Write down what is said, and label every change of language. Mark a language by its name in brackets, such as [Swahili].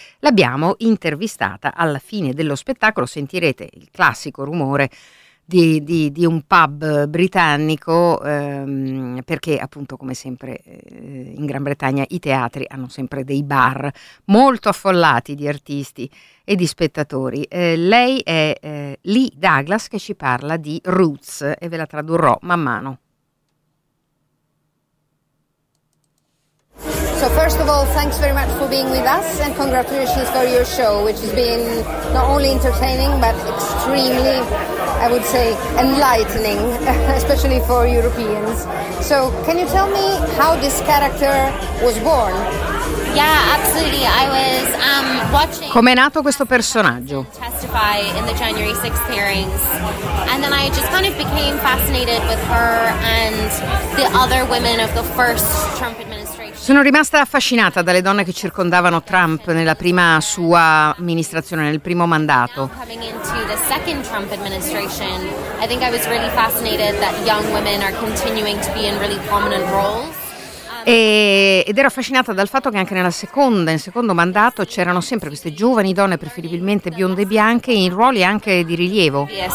[Italian] L'abbiamo intervistata alla fine dello spettacolo, sentirete il classico rumore di un pub britannico, perché appunto, come sempre in Gran Bretagna, i teatri hanno sempre dei bar molto affollati di artisti e di spettatori. Lei è Lee Douglas, che ci parla di Roots, e ve la tradurrò man mano. [English] So first of all, thanks very much for being with us, and congratulations for your show, which has been not only entertaining but extremely, I would say, enlightening, especially for Europeans. So can you tell me how this character was born? Yeah, absolutely. I was watching. [Italian] Com'è nato questo personaggio? [English] Testify in the January 6th hearings, and then I just kind of became fascinated with her and the other women of the first Trump administration. [Italian] Sono rimasta affascinata dalle donne che circondavano Trump nella prima sua amministrazione, nel primo mandato. [English] Coming into the second Trump administration, I think I was really fascinated that young women are continuing to be in really prominent roles. [Italian] Ed ero affascinata dal fatto che anche nella seconda, in secondo mandato, c'erano sempre queste giovani donne, preferibilmente bionde e bianche, in ruoli anche di rilievo.